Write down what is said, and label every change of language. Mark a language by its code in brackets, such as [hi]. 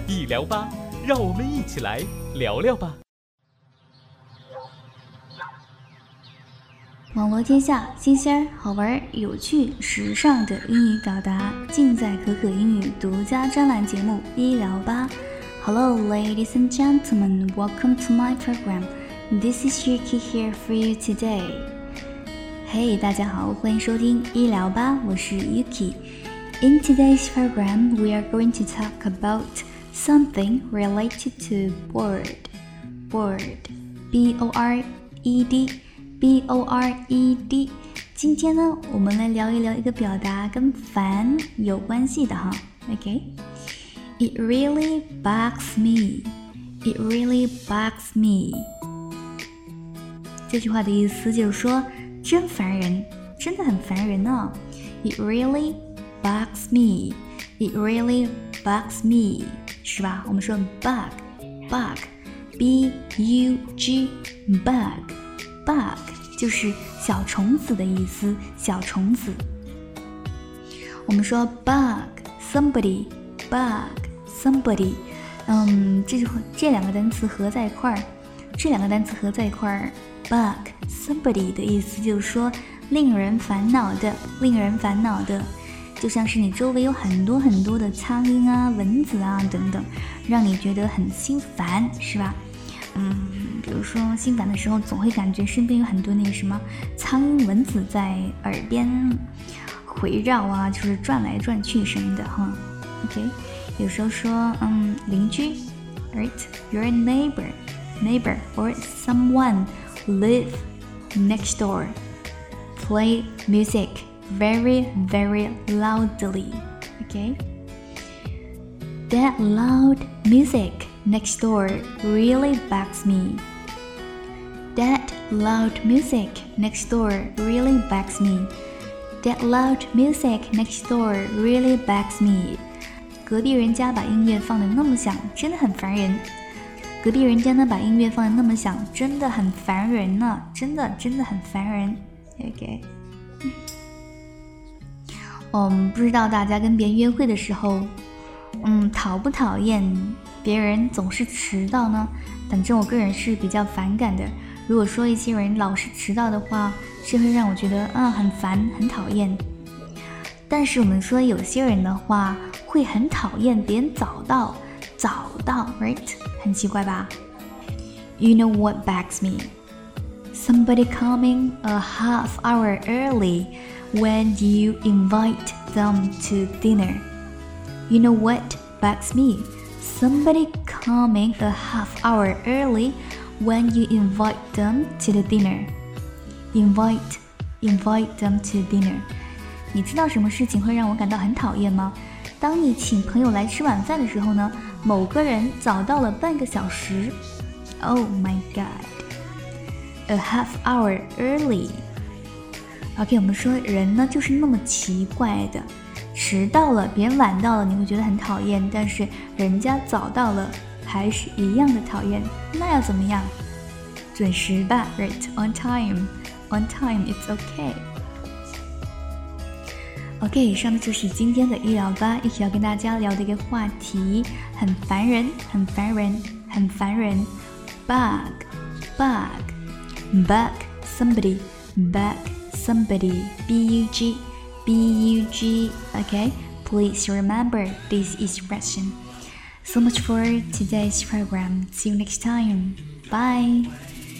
[zh] 医疗吧，让我们一起来聊聊吧。网罗天下新鲜好玩有趣时尚的英语表达，尽在可可英语独家专栏节目医疗吧。 [en] Hello, ladies and gentlemen, welcome to my program. This is Yuki here for you today. [zh] Hey, 大家好，欢迎收听医疗吧，我是 Yuki. [en] In today's program, we are going to talk about something related to board. Board, B-O-R-E-D, B-O-R-E-D. [zh] 今天呢，我们来聊一聊一个表达跟烦有关系的哈 ,Okay? [en] It really bugs me. It really bugs me. [zh] 这句话的意思就是说，真烦人，真的很烦人呢。 [en] It really bugs me. It really bugs me. 是吧？ [zh] 我们说 bug, bug, b u g, bug, bug 就是小虫子的意思，小虫子。我们说 bug somebody, bug. Somebody, 这两个单词合在一块儿，这两个单词合在一块儿 ，bug somebody 的意思就是说令人烦恼的，令人烦恼的，就像是你周围有很多很多的苍蝇啊、蚊子啊等等，让你觉得很心烦，是吧？比如说心烦的时候，总会感觉身边有很多那个什么苍蝇、蚊子在耳边回绕啊，就是转来转去什么的哈。 [en] OK。 [zh] 有时候说邻居 right? [en] Your neighbor, neighbor or someone live next door play music very very loudly okay? That loud music next door really bugs me That loud music next door really bugs me That loud music next door really bugs me [zh] 隔壁人家把音乐放得那么响，真的很烦人。隔壁人家呢把音乐放得那么响，真的很烦人呢，真的真的很烦人。 OK， 不知道大家跟别人约会的时候，讨不讨厌别人总是迟到呢？反正我个人是比较反感的。如果说一些人老是迟到的话，是会让我觉得很烦，很讨厌。但是我们说有些人的话。会很讨厌别人早到，早到 ，right？很奇怪吧 [en] ？You know what bugs me? Somebody coming a half hour early when you invite them to dinner. You know what bugs me? Somebody coming a half hour early when you invite them to the dinner. Invite them to dinner. [zh] 你知道什么事情会让我感到很讨厌吗？当你请朋友来吃晚饭的时候呢，某个人早到了半个小时。 [en] Oh my god, a half hour early. [zh] OK， 我们说人呢就是那么奇怪的，迟到了，别人晚到了，你会觉得很讨厌，但是人家早到了还是一样的讨厌。那要怎么样？准时吧 [en] ，right on time, on time it's okay. [zh] OK， 以上的就是今天的医疗吧，一起要跟大家聊的一个话题，很烦人，很烦人，很烦人 ，bug， bug， bug somebody， bug somebody， b u g， b u g， OK， [en] please remember this expression. So much for today's program. See you next time. Bye.